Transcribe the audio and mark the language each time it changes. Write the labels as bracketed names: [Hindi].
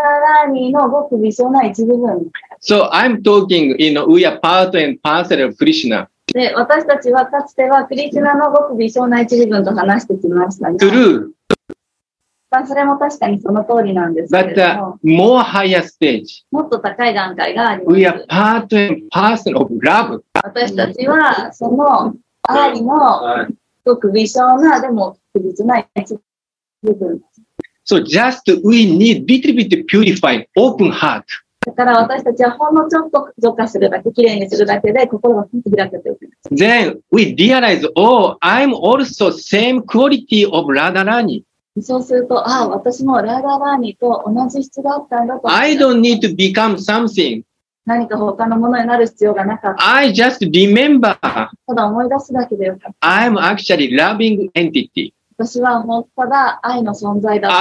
[English] So I'm talking, you know, we are part and parcel of Krishna. [Japanese] で、私たちはかつてはクリシュナのごく微小な一部分と話してきましたが。 [English] True. [Japanese] それも確かにその通りなんですけれども。 [English] But more higher stage. [Japanese] もっと高い段階があります。 [English] We are part and parcel of love. [Japanese] 私たちはその愛のごく微小な、でも特別な一部分。 [English] So just we need little bit purify open heart. [Japanese] だから私たちはほんのちょっと浄化するだけ、きれいにするだけで心が開けておく。 [English] Then we realize, oh, I'm also same quality of Radharani. [Japanese] そうすると、ああ、私もラダラーニと同じ質だったんだと。 [English] I don't need to become something. [Japanese] 何か他のものになる必要がなかった。 [English] I just remember. [Japanese] ただ思い出すだけでよかった。 [English] I'm actually loving entity. [Japanese] 私は本当だ愛の存在だ。